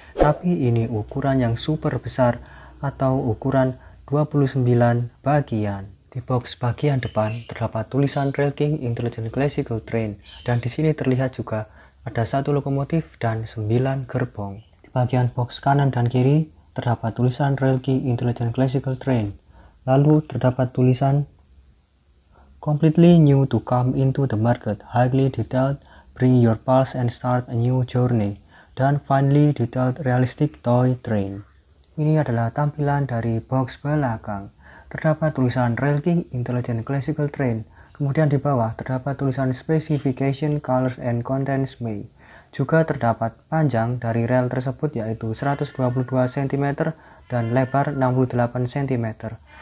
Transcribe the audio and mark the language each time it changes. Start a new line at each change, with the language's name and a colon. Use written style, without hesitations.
Indonesian: Tapi ini ukuran yang super besar atau ukuran 29 bagian. Di box bagian depan terdapat tulisan Rail King Intelligent Classical Train. Dan di sini terlihat juga ada satu lokomotif dan 9 gerbong. Di bagian box kanan dan kiri terdapat tulisan Rail King Intelligent Classical Train. Lalu terdapat tulisan
English: Completely new to come into the market, highly detailed, bring your pulse and start a new journey, dan finally detailed realistic toy train.
Indonesian: Ini adalah tampilan dari box belakang. Terdapat tulisan Rail King Intelligent Classical Train. Kemudian di bawah terdapat tulisan
English: Specification, Colors and Contents May.
Indonesian: Juga terdapat panjang dari rel tersebut yaitu 122 cm dan lebar 68 cm.